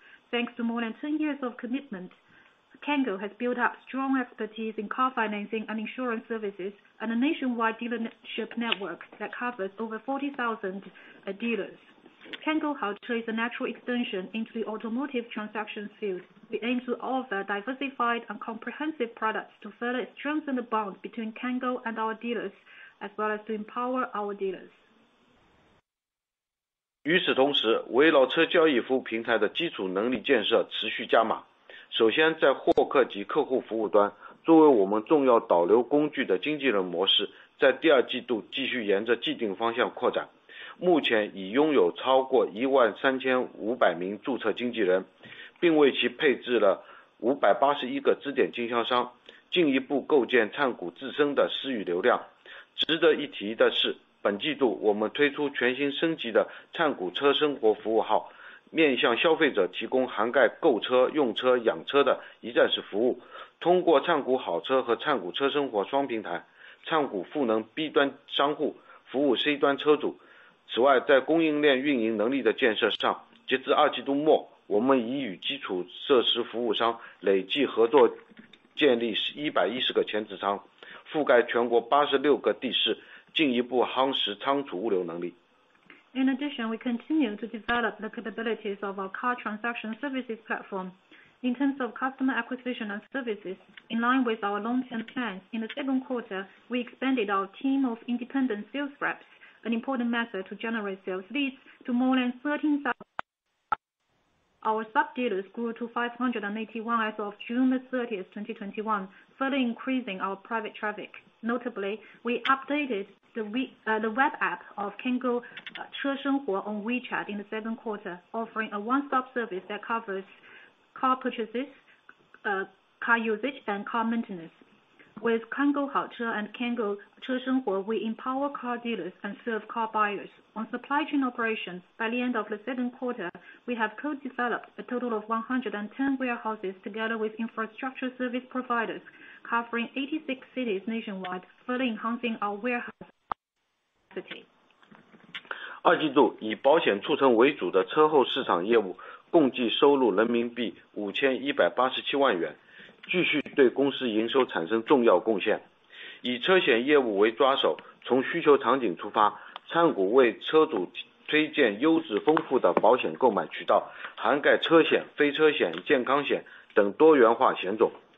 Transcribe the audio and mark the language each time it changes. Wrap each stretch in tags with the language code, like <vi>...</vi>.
<en>Thanks to more than 10 years of commitment, Kango has built up strong expertise in car financing and insurance services and a nationwide dealership network that covers over 40,000 dealers. Kango 好车 is a natural extension into the automotive transactions field. We aim to offer diversified and comprehensive products to further strengthen the bond between Kango and our dealers, as well as to empower our dealers.</en> <zh>与此同时，围绕车交易服务平台的基础能力建设持续加码。首先，在获客及客户服务端，作为我们重要导流工具的经纪人模式，在第二季度继续沿着既定方向扩展。目前已拥有超过13500名注册经纪人，并为其配置了581个支点经销商，进一步构建灿谷自身的私域流量。值得一提的是，本季度我们推出全新升级的灿谷车生活服务号，面向消费者提供涵盖购车、用车、养车的一站式服务。通过灿谷好车和灿谷车生活双平台，灿谷赋能 B 端商户，服务 C 端车主。此外，在供应链运营能力的建设上，截至二季度末，我们已与基础设施服务商累计合作建立110个前置仓，覆盖全国86个地市，进一步夯实仓储物流能力。</zh> <en>In addition, we continue to develop the capabilities of our car transaction services platform. In terms of customer acquisition and services, in line with our long-term plans, in the second quarter, we expanded our team of independent sales reps. An important method to generate sales leads to more than 13,000. Our sub-dealers grew to 581 as of June 30, 2021, further increasing our private traffic. Notably, we updated the web app of Kango 车生活 on WeChat in the second quarter, offering a one-stop service that covers car purchases, car usage, and car maintenance. With Kango 好车 and Kango 车生活, we empower car dealers and serve car buyers. On supply chain operations, by the end of the second quarter, we have co-developed a total of 110 warehouses together with infrastructure service providers, covering 86 cities nationwide, further enhancing our warehouse capacity.</en> <zh>二季度以保险促成为主的车后市场业务共计收入人民币5187万元。继续对公司营收产生重要贡献。以车险业务为抓手，从需求场景出发，灿谷为车主推荐优质丰富的保险购买渠道，涵盖车险、非车险、健康险等多元化险种。</zh>